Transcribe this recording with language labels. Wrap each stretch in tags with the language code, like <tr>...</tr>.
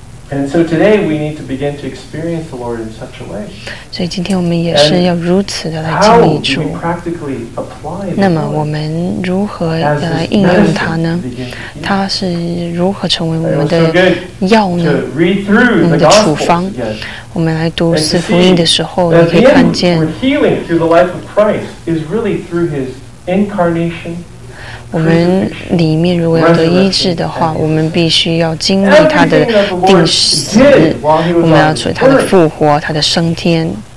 <en>And so today we need to begin to experience the Lord in such a way.</en> <zh>所以今天我们也是要如此的来经历主。</zh> <en>How do we practically apply it?</en> <zh>那么我们如何要来应用它呢？它是如何成为我们的药呢？我们的处方。我们来读四福音的时候，你可以看见。</zh> <en>The healing through the life of Christ is really through His incarnation.</en> <zh>我们里面如果要得医治的话，我们必须要经历他的定死，我们要处理他的复活，他的升天。</zh>